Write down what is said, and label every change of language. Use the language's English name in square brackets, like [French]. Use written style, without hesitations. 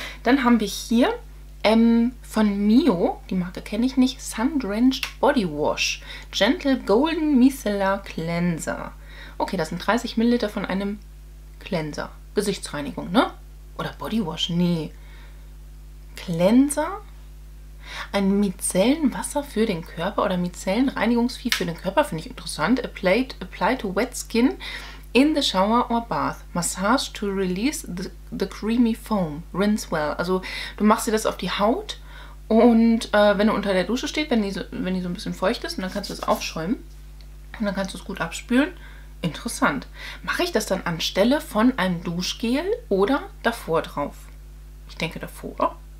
[German] Dann haben wir hier von Mio, die Marke kenne ich nicht, Sun-Drenched Body Wash Gentle Golden Micellar Cleanser. Okay, das sind 30 ml von einem Cleanser. Gesichtsreinigung, ne? Oder Body Wash? Nee. Cleanser? Ein Micellenwasser für den Körper oder Micellenreinigungsvieh für den Körper finde ich interessant. [English] Apply to wet skin in the shower or bath. Massage to release the creamy foam. Rinse well. [German] Also du machst dir das auf die Haut und wenn du unter der Dusche stehst, wenn die so ein bisschen feucht ist, und dann kannst du es aufschäumen und dann kannst du es gut abspülen. Interessant. Mache ich das dann anstelle von einem Duschgel oder davor drauf? Ich denke davor.